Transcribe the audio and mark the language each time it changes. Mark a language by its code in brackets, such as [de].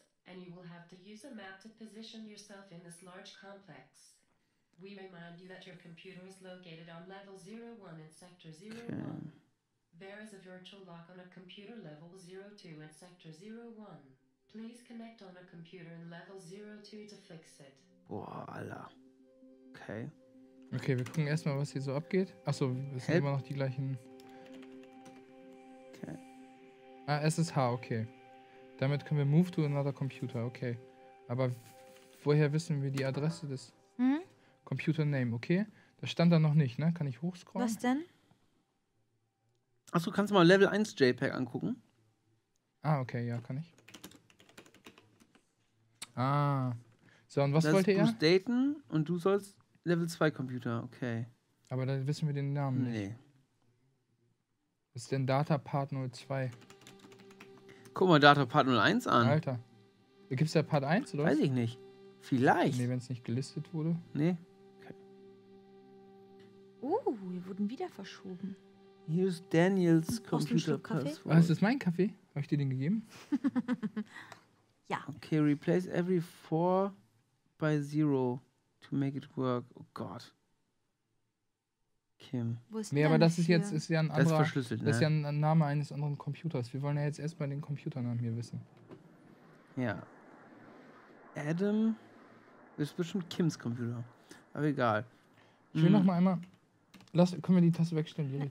[en] And you will have to use a map to position yourself in this large complex. We remind you that your computer is located on level 01 in sector 01. There is a virtual lock on a computer level 02 in sector 01. Please connect on a computer in level 02 to fix it. [de] Boah, Alter. Okay. Okay, wir gucken erstmal, was hier so abgeht. Achso, es sind immer noch die gleichen. Okay. Ah, SSH, okay. Damit können wir [en] move to another computer, [de] okay. Aber woher wissen wir die Adresse des Computer Name, okay? Das stand da noch nicht, ne? Kann ich hochscrollen? Was denn? Achso, kannst du mal Level 1 JPEG angucken? Ah, okay, ja, kann ich. Ah. So, und was wollte er? Du sollst daten und du sollst Level 2 Computer, okay. Aber da wissen wir den Namen nicht. Nee. Was ist denn Data Part 02? Guck mal, Data Part 01 an. Alter. Gibt es ja Part 1 oder was? Weiß ich nicht. Vielleicht. Nee, wenn es nicht gelistet wurde. Nee. Okay. Wir wurden wieder verschoben. Hier ist Daniels Computer Passwort. Was ist das, mein Kaffee? Habe ich dir den gegeben? Ja. [en] Okay, replace every 4 by 0 to make it work. [de] Oh Gott. System. Nee, aber das ist jetzt ist ja ein anderer. Das ist verschlüsselt, ne? Das ist ja ein Name eines anderen Computers. Wir wollen ja jetzt erstmal den Computernamen hier wissen. Ja. Adam ist bestimmt Kims Computer. Aber egal. Ich will nochmal einmal. Können wir die Tasse wegstellen?